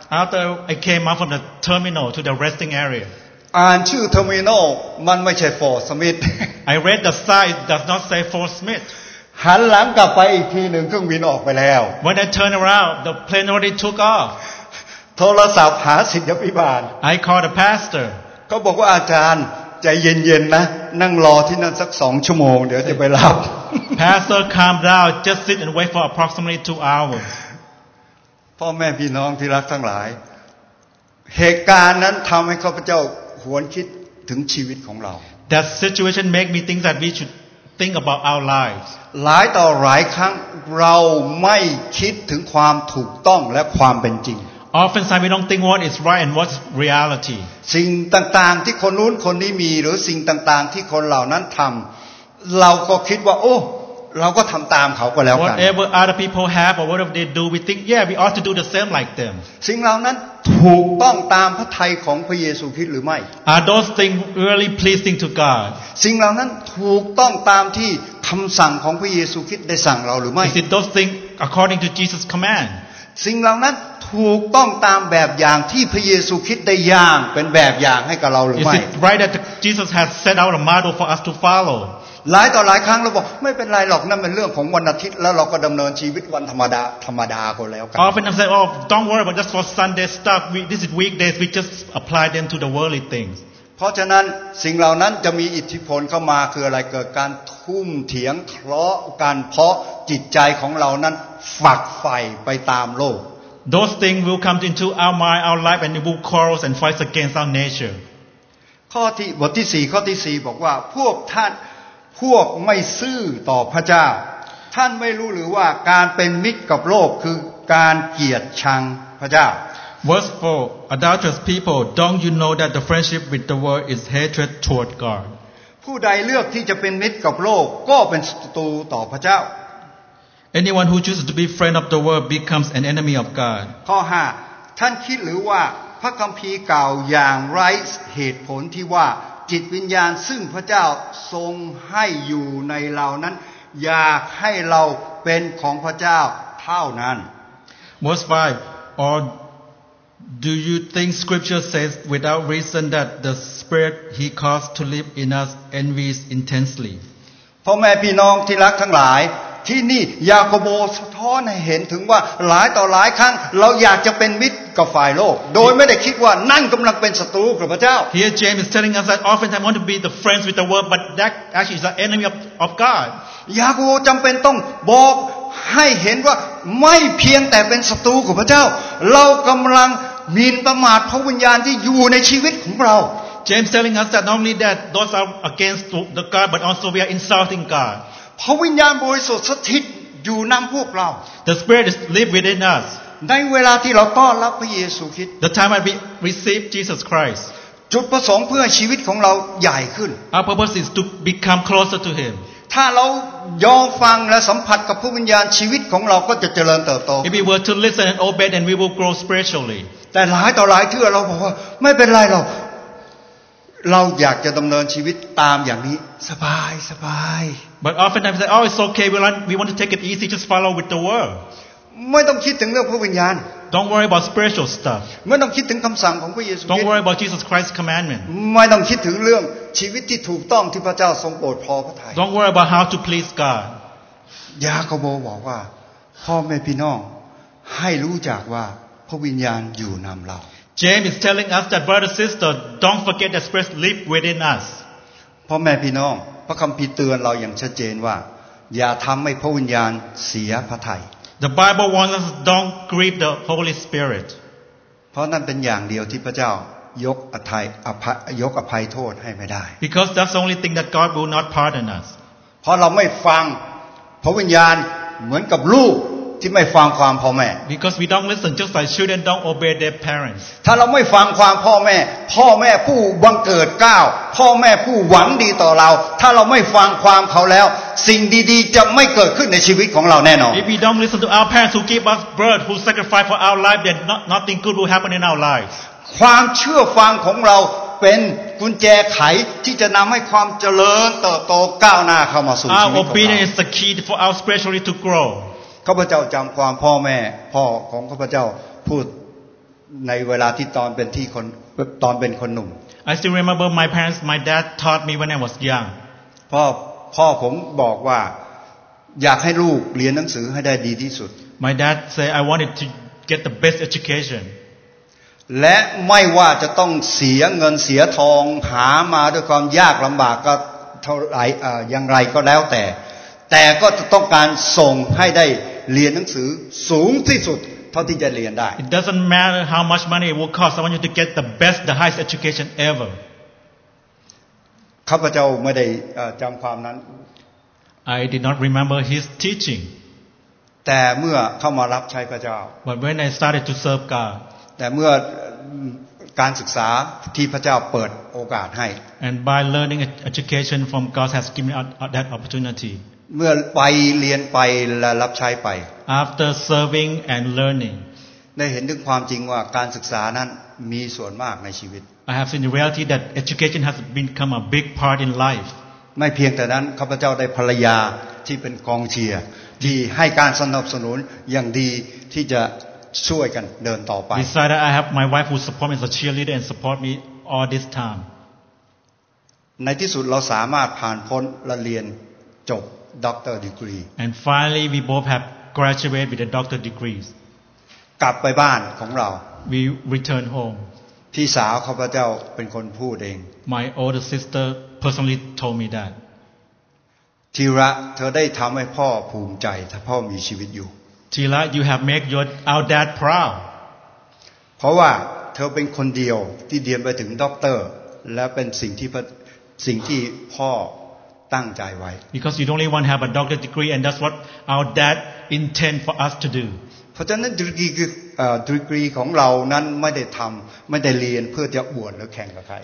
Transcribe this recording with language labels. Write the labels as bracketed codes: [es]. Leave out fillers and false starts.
[en] After I came out from the terminal to the resting area [th] อ่านชื่อเทอร์มินอลมันไม่ใช่ Fort Smith [en] I read the sign does not say Fort Smith [th] หันหลังกลับไปอีกทีนึงเครื่องบินออกไปแล้ว [en] When I turned around the plane already took off [th] โทรศัพท์หาศิษยาภิบาล [en] I called a pastor [th] เขาบอกว่าอาจารย์ใจเย็นๆนะนั่งรอที่นั่นสัก2ชั่วโมงเดี๋ยวจะไปรับ [en] Pastor calm down just sit and wait for approximately 2 hours [th] พ่อแม่พี่น้องที่รักทั้งหลายเหตุการณ์นั้นทำให้ข้าพเจ้าหวนคิดถึงชีวิตของเรา [en] That situation make me think that we should think about our lives. [th] หลายต่อหลายครั้งเราไม่คิดถึงความถูกต้องและความเป็นจริง [en] Often time we don't think what is right and what's reality. [th] สิ่งต่างๆที่คนนู้นคนนี้มีหรือสิ่งต่างๆที่คนเหล่านั้นทำเราก็คิดว่าโอ้เราก็ทำตามเขาก็แล้วกัน [en] Whatever other people have or whatever they do, we think, yeah, we ought to do the same like them. [th] สิ่งเหล่านั้นถูกต้องตามพระทัยของพระเยซูคริสต์หรือไม่ [en] Are those things really pleasing to God? [th] สิ่งเหล่านั้นถูกต้องตามที่คำสั่งของพระเยซูคริสต์ได้สั่งเราหรือไม่ [en] Is it those things according to Jesus' command? [th] สิ่งเหล่านั้นถูกต้องตามแบบอย่างที่พระเยซูคริสต์ได้ย่างเป็นแบบอย่างให้กับเราหรือไม่ [en] Is it right that Jesus has set out a model for us to follow? [th] หลายต่อหลายครั้งเราบอกไม่เป็นไรหรอกนั่นเป็นเรื่องของวันอาทิตย์แล้วเราก็ดำเนินชีวิตวันธรรมดาธรรมดาก็แล้วกั น [en] Often I say oh don't worry about just for Sunday stuff we, this is weekdays we just apply them to the worldly things [th] เพราะฉะนั้นสิ่งเหล่านั้นจะมีอิทธิพลเข้ามาคืออะไรเกิดการทุ่มเถียงทะเลาะกันเพราะจิตใจของเรานั้นฝักใฝ่ไปตามโลก [en] Those things will come into our mind our life and it will quarrels and fights against our nature [th] ข้อที่บทที่4ข้อที่4บอกว่าพวกท่านพวกไม่ซื่อต่อพระเจ้าท่านไม่รู้หรือว่าการเป็นมิตรกับโลกคือการเกลียดชังพระเจ้า [en] Verse 4 Adulterous people don't you know that the friendship with the world is hatred toward God [th] ผู้ใดเลือกที่จะเป็นมิตรกับโลกก็เป็นศัตรูต่อพระเจ้า [en] Anyone who chooses to be friend of the world becomes an enemy of God [th] ข้อ5ท่านคิดหรือว่าพระคัมภีร์กล่าวอย่างไร้เหตุผลที่ว่าจิตวิญญาณซึ่งพระเจ้าทรงให้อยู่ในเรานั้นอยากให้เราเป็นของพระเจ้าเท่านั้น [en] Verse 5 Or do you think scripture says without reason that the spirit he caused to live in us envies intensely [th] พ่อแม่พี่น้องที่รักทั้งหลายที่นี่ยาโคโบสะท้อนให้เห็นถึงว่าหลายต่อหลายครั้งเราอยากจะเป็นมิตรกับฝ่ายโลกโดยไม่ได้คิดว่านั่นกำลังเป็นศัตรูกับพระเจ้า [en] Here James is telling us that oftentimes I want to be the friends with the world but that actually is an enemy of God [th] ยาโคโบจำเป็นต้องบอกให้เห็นว่าไม่เพียงแต่เป็นศัตรูกับพระเจ้าเรากำลังมีนประมาทพระวิญญาณที่อยู่ในชีวิตของเรา [en] James is telling us that not only that those are against the God but also we are insulting God [th] พระวิญญาณบริสุทธิ์สถิตอยู่นำพวกเรา [en] The Spirit is live within us [th] ในเวลาที่เราต้อนรับพระเยซูคริสต์ [en] The time that we receive Jesus Christ [th] จุดประสงค์เพื่อชีวิตของเราใหญ่ขึ้น [en] Our purpose is to become closer to Him [th] ถ้าเรายอมฟังและสัมผัสกับพระวิญญาณชีวิตของเราก็จะเจริญเติบโต [en] If we were to listen and obey then we will grow spiritually [th] แต่หลายต่อหลายที่เราบอกว่าไม่เป็นไรเราอยากจะดำเนินชีวิตตามอย่างนี้สบายสบาย [en] But oftentimes they say, "Oh, it's okay. We want to take it easy. Just follow with the world." [th] ไม่ต้องคิดถึงเรื่องพระวิญญาณ [en] Don't worry about spiritual stuff. [th] ไม่ต้องคิดถึงคำสั่งของพระเยซู [en] Don't worry about Jesus Christ's commandment. [th] ไม่ต้องคิดถึงเรื่องชีวิตที่ถูกต้องที่พระเจ้าทรงโปรดพอพระทัย [en] Don't worry about how to please God. [th] ยาโคโบบอกว่าพ่อแม่พี่น้องให้รู้จักว่าพระวิญญาณอยู่นำเรา [en] James is telling us that brother sister don't forget that spirit live within us. [th] พ่อแม่พี่น้องพระคัมภีร์เตือนเราอย่างชัดเจนว่าอย่าทำให้พระวิญญาณเสียพระทัย [en] The Bible warns us don't grieve the Holy Spirit [th] เพราะนั่นเป็นอย่างเดียวที่พระเจ้ายกอภัยโทษให้ไม่ได้ [en] Because that's the only thing that God will not pardon us [th] เพราะเราไม่ฟังพระวิญญาณเหมือนกับลูกที่ไม่ฟังความพ่อแม่ [en] Because we don't listen just like children don't obey their parents [th] ถ้าเราไม่ฟังความพ่อแม่พ่อแม่ผู้บังเกิดเกล้าพ่อแม่ผู้หวังดีต่อเราถ้าเราไม่ฟังความเขาแล้วสิ่งดีๆจะไม่เกิดขึ้นในชีวิตของเราแน่นอน [en] If we don't listen to our parents who give us birth who sacrifice for our life then nothing good will happen in our lives [th] ความเชื่อฟังของเราเป็นกุญแจไขที่จะนำให้ความเจริญเติบโตก้าวหน้าเข้ามาสู่ชีวิตของเรา [en] Our obedience is the key for our spiritually to grow [th] ข้าพเจ้าจำความพ่อแม่พ่อของข้าพเจ้าพูดในเวลาที่ตอนเป็นคนหนุ่ม [en] I still remember my parents my dad taught me when I was young [th] พ่อผมบอกว่าอยากให้ลูกเรียนหนังสือให้ได้ดีที่สุด [en] My dad say I wanted to get the best education [th] และไม่ว่าจะต้องเสียเงินเสียทองหามาด้วยความยากลำบากก็เท่าไหร่อย่างไรก็แล้วแต่ก็จะต้องการส่งให้ได้เรียนหนังสือสูงที่สุดเท่าที่จะเรียนได้ [en] It doesn't matter how much money it will cost I want you to get the best the highest education ever [th] ค ข้าพเจ้าไม่ได้จำความนั้น [en] I did not remember his teaching [th] แต่เมื่อเข้ามารับใช้พระเจ้า [en] But when I started to serve God [th] แต่เมื่อการศึกษาที่พระเจ้าเปิดโอกาสให้ [en] And by learning education from God has given that opportunity [th] เมื่อไปเรียนไปและรับใช้ไป [en] After serving and learning [th] ได้เห็นถึงความจริงว่าการศึกษานั้นมีส่วนมากในชีวิต [en] I have seen the reality that education has become a big part in life [th] ไม่เพียงแต่นั้นข้าพเจ้าได้ภรรยาที่เป็นกองเชียร์ที่ให้การสนับสนุนอย่างดีที่จะช่วยกันเดินต่อไป [en] Besides that, I have my wife who support me as a cheerleader and support me all this time. [th] ในที่สุดเราสามารถผ่านพ้นและเรียนจบ Doctor degree. [en] And finally, we both have graduated with a Doctor degree. [th] กลับไปบ้านของเรา [en] We return home. [th] พี่สาวข้าพเจ้าเป็นคนพูดเอง [en] My older sister personally told me that. [th] ทีระเธอได้ทำให้พ่อภูมิใจถ้าพ่อมีชีวิตอยู่ [en] Tila, you have made your our dad proud. [th] เพราะว่าเธอเป็นคนเดียวที่เรียนไปถึงด็อกเตอร์และเป็นสิ่งที่พ่อตั้งใจไว้ [en] Because you only want to have a doctor degree, and that's what our dad intend for us to do. [th] เพราะฉะนั้น degree ของเรานั้นไม่ได้เรียนเพื่อจะอวดหรือแข่งกับใคร